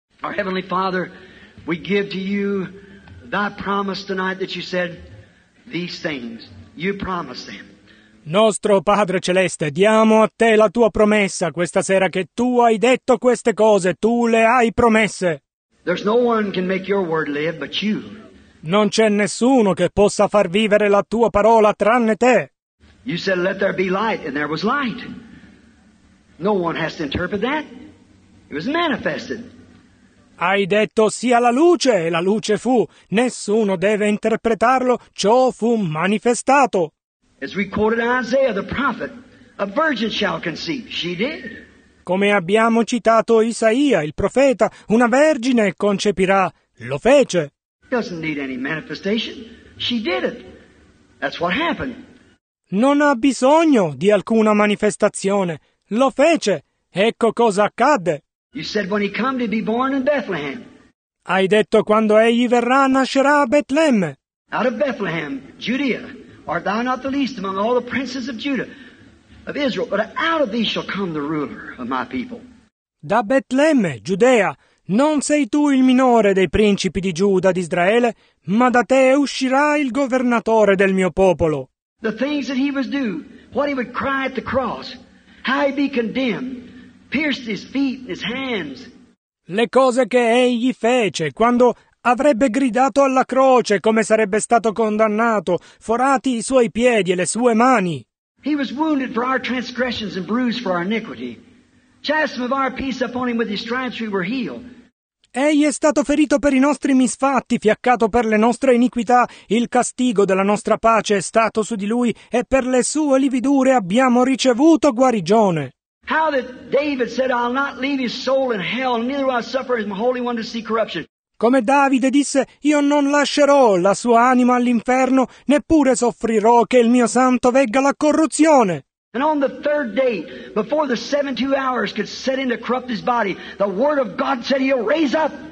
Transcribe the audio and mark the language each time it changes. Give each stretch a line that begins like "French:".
English: Our Heavenly Father, we give to you Thy promise tonight that you said these things. You promised them.
Italian: Nostro Padre Celeste, diamo a Te la Tua promessa questa sera che Tu hai detto queste cose, Tu le hai promesse.
English: There's no one can make your word live but you.
Italian: Non c'è nessuno che possa far vivere la Tua parola tranne Te.
English: You said let there be light and there was light. No one has to interpret that. It was manifested.
Italian: Hai detto sia la luce e la luce fu. Nessuno deve interpretarlo, ciò fu manifestato.
English: As we quoted Isaiah the prophet, a virgin shall conceive. She did.
Italian: Come abbiamo citato Isaia il profeta, una vergine concepirà. Lo fece.
English: Doesn't need any manifestation. She did it. That's what happened.
Italian: Non ha bisogno di alcuna manifestazione. Lo fece. Ecco cosa accadde.
English: You said when he come to be born in Bethlehem.
Italian: Hai detto quando egli verrà nascerà a Betlemme.
English: Out of Bethlehem, Judea, art thou not the least among all the princes of Judah, of Israel? But out of thee shall come the ruler of my people.
Italian: Da Betlemme, Giudea, non sei tu il minore dei principi di Giuda d'Israele, ma da te uscirà il governatore del mio popolo.
English: The things that he was doing, what he would cry at the cross, how he be condemned. Pierced his feet and his hands.
Italian: Le cose che egli fece quando avrebbe gridato alla croce come sarebbe stato condannato, forati i suoi piedi e le sue mani.
English: He was wounded for our transgressions and bruised for our iniquity. Chastened of our peace upon him with his stripes we were healed.
Italian: Egli è stato ferito per i nostri misfatti, fiaccato per le nostre iniquità, il castigo della nostra pace è stato su di lui e per le sue lividure abbiamo ricevuto guarigione.
English: How that David said, I'll not leave his soul in hell, neither will I suffer his holy one to see corruption.
Italian: Come Davide disse, io non lascerò la sua anima all'inferno, neppure soffrirò che il mio santo vegga la corruzione.
English: And on the third day, before the 72 hours could set in to corrupt his body, the word of God said he'll raise up.